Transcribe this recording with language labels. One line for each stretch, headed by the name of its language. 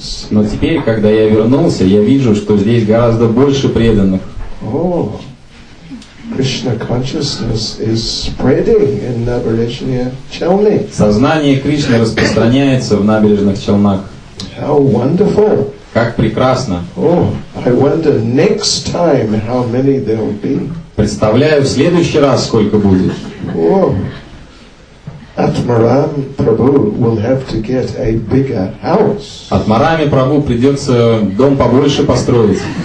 Russian: Но теперь, когда я вернулся, я вижу, что здесь гораздо больше преданных.
English: Krishna consciousness is spreading in Набережные Челны.
Russian: Сознание Кришны распространяется в Набережных Челнах.
English: How wonderful!
Russian: Как прекрасно!
English: Oh, I wonder next time how many there will be.
Russian: Представляю в следующий раз сколько будет.
English: Atmaram Prabhu will have to get a bigger house.
Russian: Атмараме Прабху придется дом побольше построить.